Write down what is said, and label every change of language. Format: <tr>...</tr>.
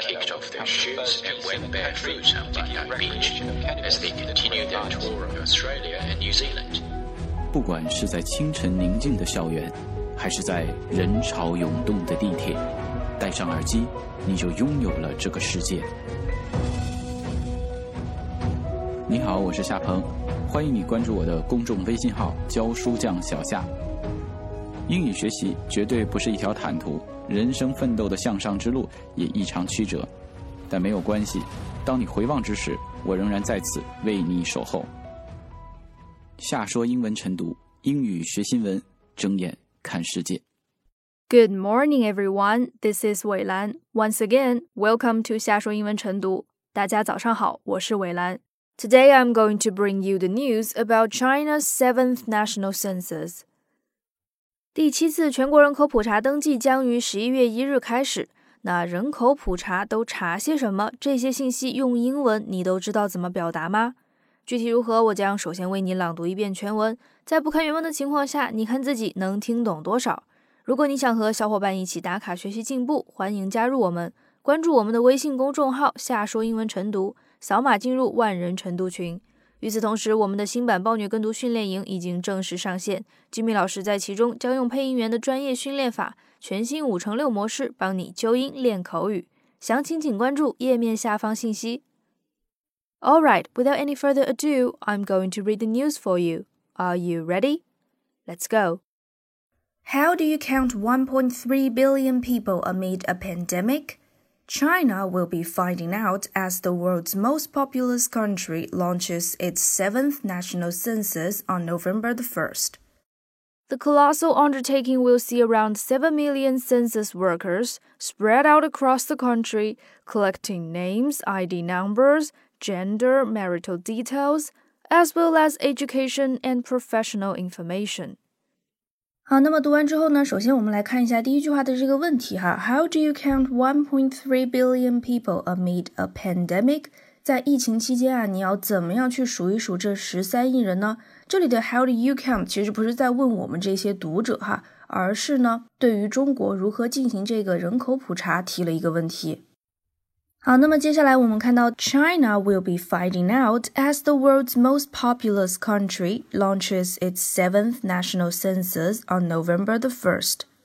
<en>kicked off their shoes and went barefoot on the beach as they continued their tour of Australia and New Zealand.</en> <zh>不管是在清晨宁静的校园，还是在人潮涌动的地铁，戴上耳机，你就拥有了这个世界。你好，我是夏鹏，欢迎你关注我的公众微信号“教书匠小夏”。英语学习绝对不是一条坦途，人生奋斗的向上之路也异常曲折，但没有关系，当你回望之时，我仍然在此为你守候。下说英文晨读，英语学新闻，睁眼看世界。</zh> <en>Good morning, everyone. This is 伟兰。Once again, welcome to 下说英文晨读。</en> <zh>大家早上好，我是伟兰。</zh> <en>Today, I'm going to bring you the news about China's 7th national census.</en> <zh>第七次全国人口普查登记将于11月1日开始。那人口普查都查些什么？这些信息用英文你都知道怎么表达吗？具体如何，我将首先为你朗读一遍全文，在不看原文的情况下，你看自己能听懂多少。如果你想和小伙伴一起打卡学习进步，欢迎加入我们，关注我们的微信公众号下说英文晨读，扫码进入万人晨读群。与此同时，我们的新版暴虐跟读训练营已经正式上线，吉米老师在其中将用配音员的专业训练法，全新5x6模式帮你纠音练口语，详情请关注页面下方信息。</zh> <en>All right, without any further ado, I'm going to read the news for you. Are you ready? Let's go. How do you count 1.3 billion people amid a pandemic? China will be finding out as the world's most populous country launches its 7th national census on November the 1st. The colossal undertaking will see around 7 million census workers spread out across the country, collecting names, ID numbers,gender, marital details, as well as education and professional information.</en> <zh>好，那么读完之后呢，首先我们来看一下第一句话的这个问题哈。</zh> <en>How do you count 1.3 billion people amid a pandemic?</en> <zh>在疫情期间啊，你要怎么样去数一数这13亿人呢？这里的</zh> <en>how do you count</en> <zh>其实不是在问我们这些读者哈，而是呢，对于中国如何进行这个人口普查提了一个问题。好，那么接下来我们看到</zh> <en>China will be finding out as the world's most populous country launches its 7th national census on November the 1st.</en>